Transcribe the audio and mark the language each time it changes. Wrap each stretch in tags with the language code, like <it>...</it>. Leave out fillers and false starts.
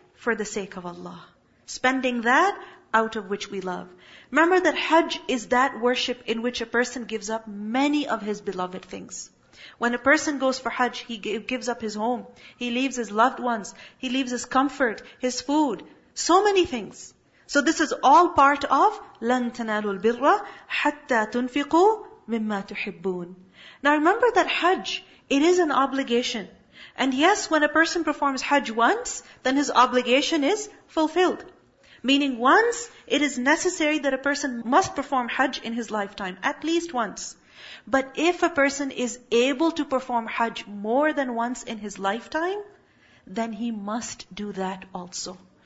<en>For the sake of Allah. Spending that out of which we love. Remember that Hajj is that worship in which a person gives up many of his beloved things. When a person goes for Hajj, he gives up his home. He leaves his loved ones. He leaves his comfort, his food. So many things. So this is all part of</en> <ar>لَن تَنَالُوا الْبِرَّ حَتَّى تُنْفِقُوا مِمَّا تُحِبُّونَ.</ar> <en>Now remember that Hajj, it is an obligation. And yes, when a person performs Hajj once, then his obligation is fulfilled. Meaning once, it is necessary that a person must perform Hajj in his lifetime, at least once. But if a person is able to perform Hajj more than once in his lifetime, then he must do that also.</en>